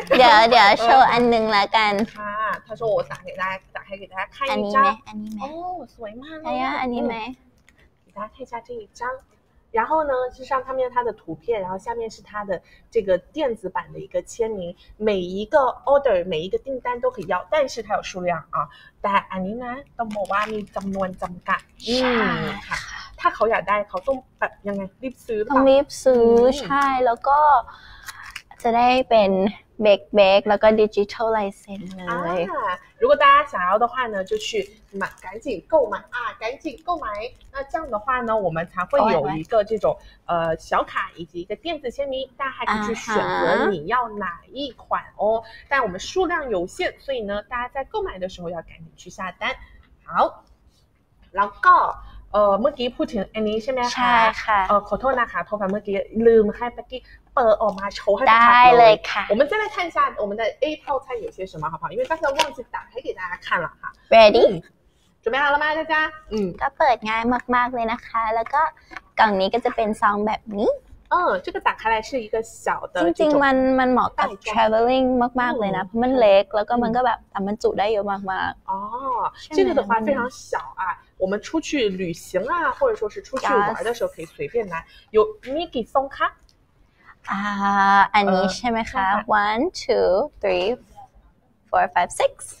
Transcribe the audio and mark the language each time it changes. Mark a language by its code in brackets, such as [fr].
[th] เดี๋ยว show อันนึงละกัน ค่ะถ้า show [zh] 我打给大家打开给大家看一张 [th] อันนี้ไหม สวยมาก ใช่ย่ะอันนี้ไหม [zh] 给大家看一下这一张然后呢是上面它的图片然后下面是它的这个电子版的一个签名每一个 order 每一个订单都可以要但是它有数量啊 [th] แต่อันนี้นะต้องบอกว่ามีจำนวนจำกัด ใช่ค่ะ ถ้าเขาอยากได้เขาต้องแบบยังไงรีบซื้อ ต้องรีบซื้อใช่แล้วก็จะได้เป็น [en] Big Big [zh] 那个 [en] Digital License [zh] 啊，如果大家想要的话呢，就去买，赶紧购买啊，赶紧购买。那这样的话呢，我们才会有一个这种小卡以及一个电子签名，大家还可以去选择你要哪一款哦。但我们数量有限，所以呢，大家在购买的时候要赶紧去下单。好，老高。 [th] เมื่อกี้พูดถึงอันนี้ใช่ไหมคะ ใช่ค่ะ ขอโทษนะคะโทรศัพท์เมื่อกี้ลืมให้ปักกี้เปิดออกมาโชว์ให้ ดูได้เลยค่ะ เราจะมาดูกันว่าในแอปเปิลไทย [zh] 有些什么好不好因为刚才忘记打开给大家看了 [th] ค่ะ Ready [zh] 准备好了吗大家 [th] ก็เปิดง่ายมากๆเลยนะคะแล้วก็กล่องนี้ก็จะเป็นซองแบบนี้ [zh] 这个打开来是一个小的 [th] จริงๆมันเหมาะกับ traveling มากๆเลยนะเพราะมันเล็กแล้วก็มันก็แบบมันจุได้เยอะมาก [zh] ๆอ๋อ这个的话非常小啊我们出去旅行啊，或者说是出去玩的时候，可以随便拿。有 Mickey 送卡啊，安妮是没卡 ， [en] one two three four five six，